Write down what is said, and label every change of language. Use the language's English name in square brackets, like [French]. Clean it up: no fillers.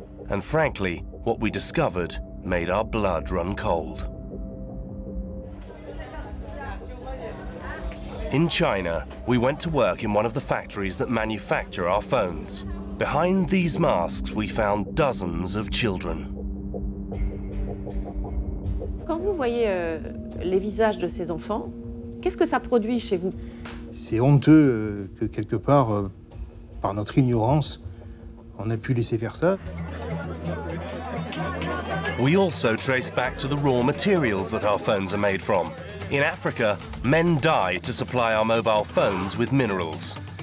[English] And frankly, what we discovered made our blood run cold. In China, we went to work in one of the factories that manufacture our phones. Behind these masks, we found dozens of children. [French] Quand vous voyez les visages de ces enfants, qu'est-ce que ça produit chez vous? C'est honteux que quelque part, par notre ignorance, on a pu laisser faire ça. [English] We also trace back to the raw materials that our phones are made from. In Africa, men die to supply our mobile phones with minerals.